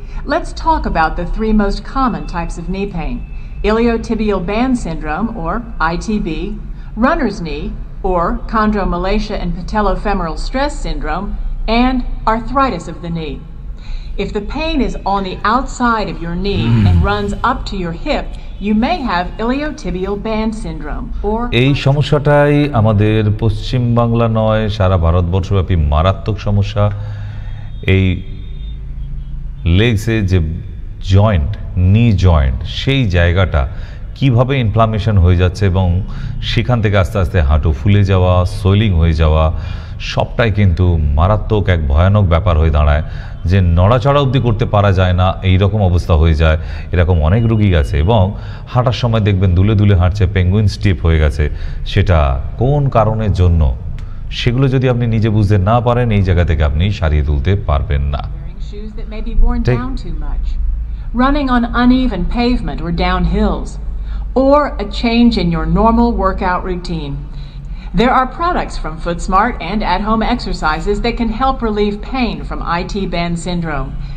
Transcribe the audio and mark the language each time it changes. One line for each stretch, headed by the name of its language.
English: Let's talk about the three most common types of knee pain: iliotibial band syndrome, or ITB, runner's knee, or chondromalacia and patellofemoral stress syndrome, and arthritis of the knee. If the pain is on the outside of your knee and runs up to your hip, you may have iliotibial band syndrome. Or
Bangla: এই সমস্যাটাই আমাদের পশ্চিম বাংলা নয় সারা ভারতবর্ষব্যাপী মারাত্মক সমস্যা। এই লেগসে যে joint, নি joint, সেই জায়গাটা কীভাবে ইনফ্লামেশন হয়ে যাচ্ছে এবং সেখান থেকে আস্তে আস্তে হাঁটু ফুলে যাওয়া, সোয়েলিং হয়ে যাওয়া, সবটাই কিন্তু মারাত্মক এক ভয়ানক ব্যাপার হয়ে দাঁড়ায়, যে নড়াচড়া অবধি করতে পারা যায় না, এইরকম অবস্থা হয়ে যায়। এরকম অনেক রোগী আছে এবং হাঁটার সময় দেখবেন দুলে দুলে হাঁটছে, পেঙ্গুইন স্টিপ হয়ে গেছে, সেটা কোন কারণের জন্য, সেগুলো যদি আপনি নিজে বুঝতে না পারেন, এই জায়গা থেকে আপনি সারিয়ে তুলতে পারবেন না।
English: shoes that may be worn down too much, running on uneven pavement or downhills, or a change in your normal workout routine. There are products from FootSmart and at-home exercises that can help relieve pain from IT band syndrome.